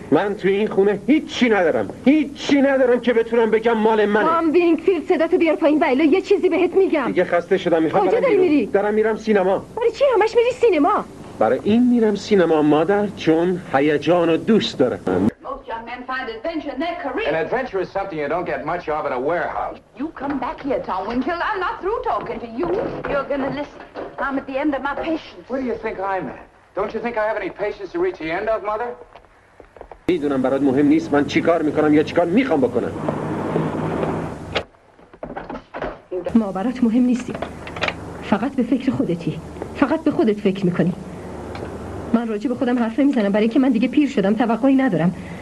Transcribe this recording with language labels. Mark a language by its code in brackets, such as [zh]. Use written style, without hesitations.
[fa] من توی این خونه هیچی ندارم، هیچی ندارم که بتونم بگم مال منه. تام وینگفیلد صدا تو بیار پایین، ولی یه چیزی بهت میگم. دیگه خسته شدم، میخوام برم. کجا داری میری؟ دارم میرم سینما. برای چی همش میری سینما؟ برای این میرم سینما مادر، چون هیجان رو دوست دارم. [en] An adventure is something you don't get much of at a warehouse. You come back here, Tom Winkle. I'm not through talking to you. You're gonna listen. I'm at the end of my patience. Where do you think I'm at? Don't you think I have any patience to reach the end of, Mother? [fa] میدونم برات مهم نیست من چی کار میکنم یا چی کار میخوام بکنم. ما برات مهم نیستی. فقط به فکر خودتی. فقط به خودت فکر میکنی. من راجع به خودم حرف میزنم برای اینکه من دیگه پیر شدم، توقعی ندارم.